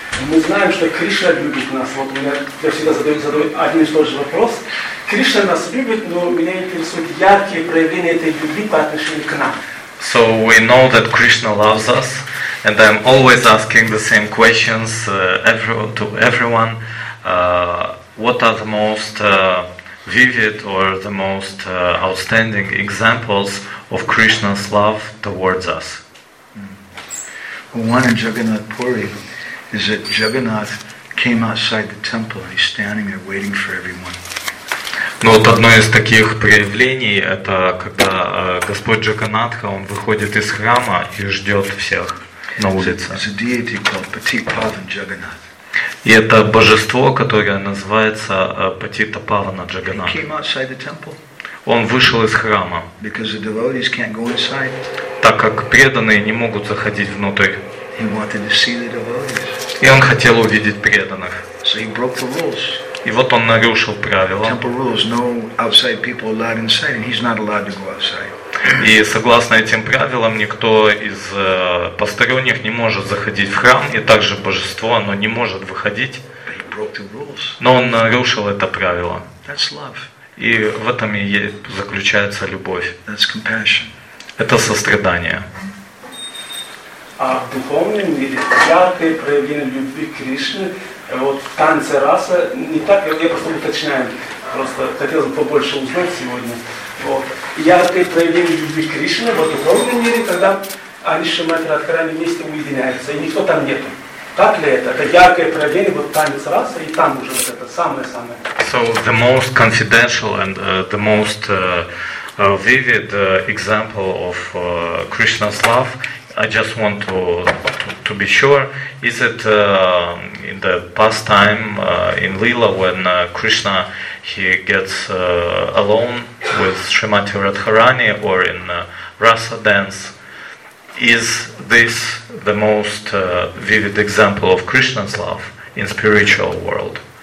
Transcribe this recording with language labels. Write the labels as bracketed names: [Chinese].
[Russian] Мы знаем, что Кришна любит нас. Вот у меня я всегда задаю один и тот же вопрос. Кришна нас любит, но меня интересуют яркие проявления этой любви по отношению к нам. [English] So we know that Krishna loves us, and I'm always asking the same questions to everyone. What are the most vivid or the most outstanding examples of Krishna's love towards us? One in Jagannath Puri is that Jagannath came outside the temple and he's standing there waiting for everyone. [Russian] Ну вот одно из таких проявлений это когда Господь Джаганнатха он выходит из храма и ждет всех на улице. [English] It's a deity called Patitapavana Jagannath. [Russian] И это божество, которое называется Патитапавана Джаганнат. [English] He came outside the temple. [Russian] Он вышел из храма. [English] Because the devotees can't go inside. [Russian] Так как преданные не могут заходить внутрь. [English] He wanted to see the devotees. [Russian] И он хотел увидеть преданных. [English] So he broke the rules. [Russian] И вот он нарушил правила. [English] Temple rules, no outside people allowed inside, and he's not allowed to go outside. [Russian] И согласно этим правилам, никто из посторонних не может заходить в храм, и также божество, оно не может выходить. [English] But he broke the rules. [Russian] Но он нарушил это правило. [English] That's love. [Russian] И в этом и заключается любовь. [English] That's compassion. [Russian] Это сострадание. А в духовном мире яркое проявление любви Кришны, вот в танце раса, не так, я просто уточняю, просто хотел бы побольше узнать сегодня. Вот, яркое проявление любви Кришны в духовном мире, когда они с Шримати Радхарани вместе уединяются, и никто там нету. Так ли это? Это яркое проявление, вот танец раса, и там уже вот это самое-самое. [English] So the most confidential and the most vivid example of Krishna's love, I just want to be sure, is it in the pastime in Leela when Krishna he gets alone with Srimati Radharani or in Rasa dance, is this the most vivid example of Krishna's love in spiritual world?